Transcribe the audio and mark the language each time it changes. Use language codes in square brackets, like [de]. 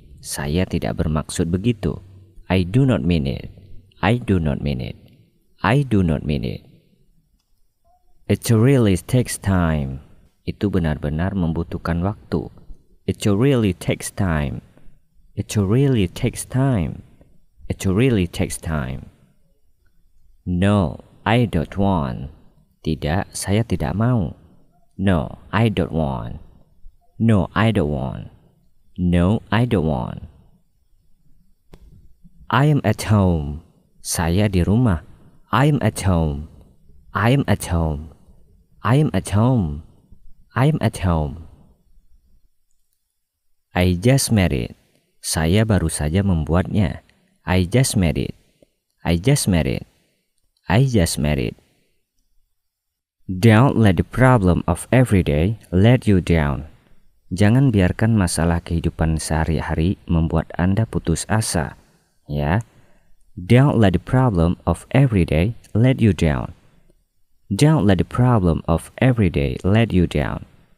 [id] Saya tidak bermaksud begitu. [en] I do not mean it. I do not mean it. I do not mean it. It really takes time. [id] Itu benar-benar membutuhkan waktu. [en] It really takes time. It really takes time. It really takes time. No, I don't want. [id] Tidak, saya tidak mau. [en] No, I don't want. No, I don't want. No, I don't want. I am at home. [id] Saya di rumah. [en] I am at home. I am at home. I am at home. I am at home. I just married. [id] Saya baru saja membuatnya. [en] I just married. I just married. I just married. Don't let the problem of everyday let you down. [id] Jangan biarkan masalah kehidupan sehari-hari membuat Anda putus asa, ya. [en] Don't let the problem of everyday let you down. Don't let the problem of everyday let you down.